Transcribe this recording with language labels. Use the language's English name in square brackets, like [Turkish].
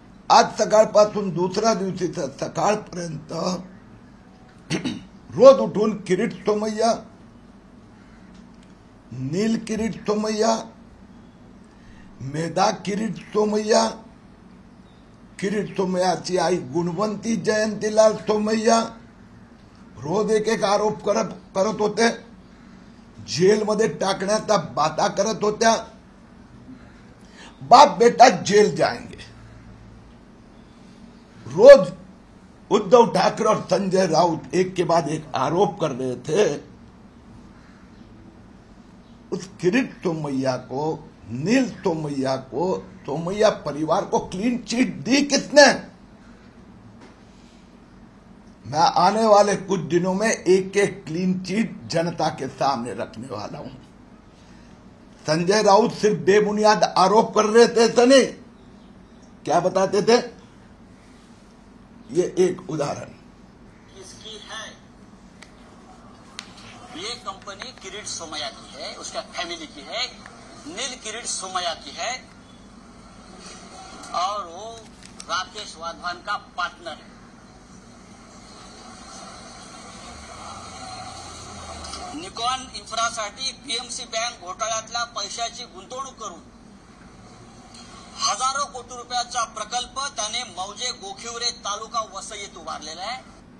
[Marathi] आज सकाळपासून दुसरा दिवशी सकाळपर्यंत रोज उठून किरीट सोमय्या, नील किरीट सोमय्या, मेधा किरीट सोमय्या, किरीट सोमय्याची आई गुणवंती जयंतीलाल सोमय्या रोज एक एक आरोप करत होते, जेल मध्ये टाकण्याचा बाता करत होत्या, [Hindi] बाप बेटा जेल जाएंगे। रोज उद्धव ठाकरे और संजय राउत एक के बाद एक आरोप कर रहे थे। उस किरीट सोमय्या को, नील सोमय्या को, सोमय्या परिवार को क्लीन चीट दी किसने? मैं आने वाले कुछ दिनों में एक एक क्लीन चीट जनता के सामने रखने वाला हूं। संजय राउत सिर्फ बेबुनियाद आरोप कर रहे थे, ऐसा नहीं, क्या बताते थे, ये एक उदाहरण इसकी है। ये कंपनी किरीट सोमय्या की है, उसका फैमिली की है, नील किरीट सोमय्या की है और वो राकेश वाधवान का पार्टनर है। [Marathi] निकॉन इन्फ्रासाठी पीएमसी बँक घोटाळ्यातला पैशाची गुंतवणूक करून हजारो कोटी रुपयाचा प्रकल्प त्याने मौजे गोखिवरे तालुका वसईत उभारलेला आहे।